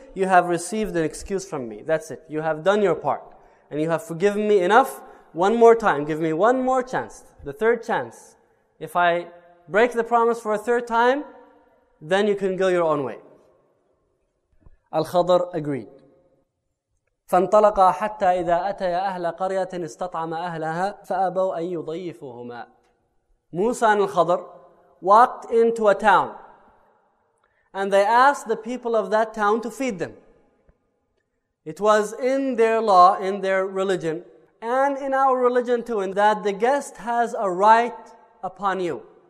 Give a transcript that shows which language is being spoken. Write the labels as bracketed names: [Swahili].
[English] You have received an excuse from me. That's it. You have done your part. And you have forgiven me enough. One more time. Give me one more chance. The third chance. If I break the promise for a third time, then you can go your own way." Al-Khadr agreed. [Arabic] فانطلقا حتى إذا أتيا أهل قرية استطعما أهلها فأبوا أن يضيفهما. [English] Musa and Al-Khadr walked into a town and they asked the people of that town to feed them. It was in their law, in their religion, and in our religion too, in that the guest has a right upon you.